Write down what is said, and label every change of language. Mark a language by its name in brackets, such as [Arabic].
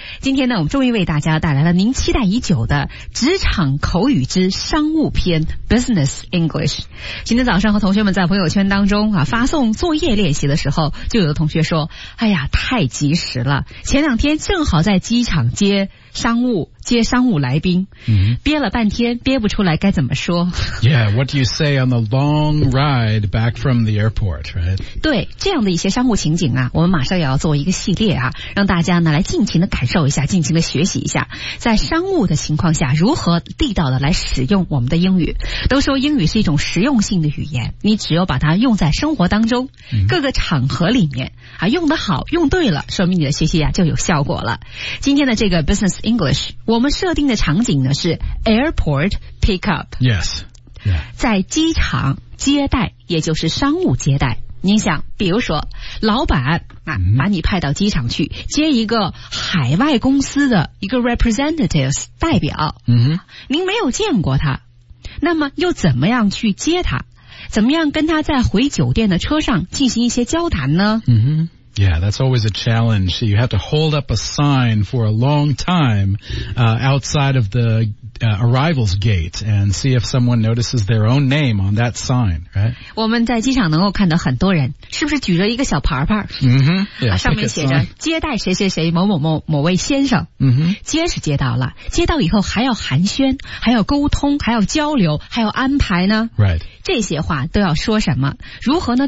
[Chinese] 今天呢，我们终于为大家带来了您期待已久的职场口语之商务篇 Business English。今天早上和同学们在朋友圈当中发送作业练习的时候，就有的同学说，哎呀，太及时了，前两天正好在机场接商务来宾、 mm-hmm. 憋了半天憋不出来该怎么说 [English] Yeah, what do you say on the long ride back from the airport, right? [Chinese] 对，这样的一些商务情景啊，我们马上也要做一个系列啊，让大家呢来尽情的感受一下，尽情的学习一下，在商务的情况下如何地道的来使用我们的英语。都说英语是一种实用性的语言，你只有把它用在生活当中、 mm-hmm. 各个场合里面啊，用得好用对了，说明你的学习啊就有效果了。今天的这个 Business English，我们设定的场景呢是 [English] airport pickup。 Yes、yeah.。 [Chinese] 在机场接待，也就是商务接待。你想，比如说老板啊、 [English] mm-hmm. [Chinese] 把你派到机场去接一个海外公司的一个 representatives 代表。嗯、 [English] mm-hmm. [Chinese] 您没有见过他。那么又怎么样去接他，怎么样跟他在回酒店的车上进行一些交谈呢？ [English] 嗯、mm-hmm. Yeah, that's always a challenge. You have to hold up a sign for a long time, outside of the, arrivals gate and see if someone notices their own name on that sign, right? [Chinese] 我们在机场能够看到很多人，是不是举着一个小牌牌？嗯哼，上面写着接待谁谁谁某某某某位先生。嗯哼，接是接到了，接到以后还要寒暄，还要沟通，还要交流，还要安排呢。 [English] Right. [Chinese] 这些话都要说什么？如何呢？